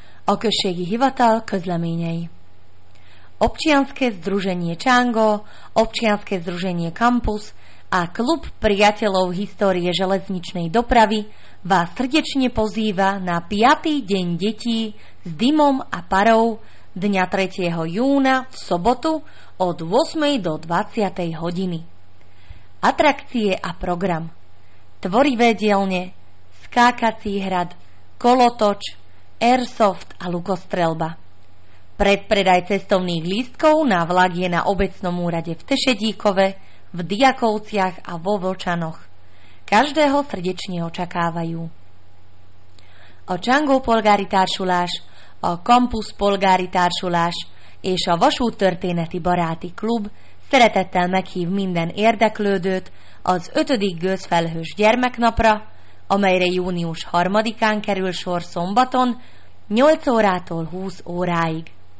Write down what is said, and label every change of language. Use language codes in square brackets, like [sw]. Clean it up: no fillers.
[hu] Okešegi Hivatal Közleményei. [sk] Občianske združenie Čango, Občianske združenie Campus a Klub priateľov histórie železničnej dopravy vás srdečne pozýva na 5. deň detí s dymom a parou dňa 3. júna v sobotu od 8. do 20. hodiny. Atrakcie a program: tvorivé dielne, skákací hrad, kolotoč, airsoft a lukostrelba. Predpredaj cestovných lístkov na vlak je na obecnom úrade v Tešedíkove, v Diakovciach a vo Vlčanoch. Každého srdečne očakávajú. [hu] O Čango polgáritársulás, o Campus polgáritársulás és a Vasút történeti baráti klub szeretettel meghív minden érdeklődőt az 5. gőzfelhős gyermeknapra, amelyre június 3-án kerül sor szombaton 8 órától 20 óráig.